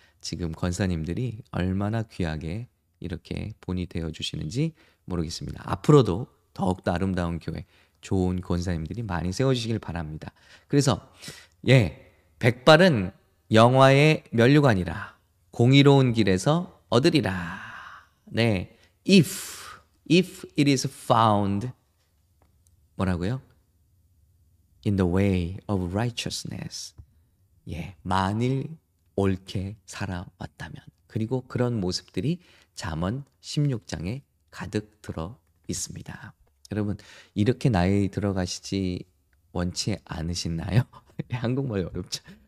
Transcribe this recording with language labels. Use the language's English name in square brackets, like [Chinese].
[Korean] 지금 권사님들이 얼마나 귀하게 이렇게 본이 되어 주시는지 모르겠습니다. 앞으로도 더욱더 아름다운 교회, 좋은 권사님들이 많이 세워주시길 바랍니다. 그래서, 예, 백발은 영화의 면류관이라, 공의로운 길에서 얻으리라. [English] 네, if it is found, [Korean] 뭐라고요? [English] In the way of righteousness. [Korean] 예, 만일 옳게 살아왔다면. 그리고 그런 모습들이 잠언 16장에 가득 들어 있습니다. 여러분, 이렇게 나이 들어가시지 원치 않으시나요? 한국말이 어렵죠.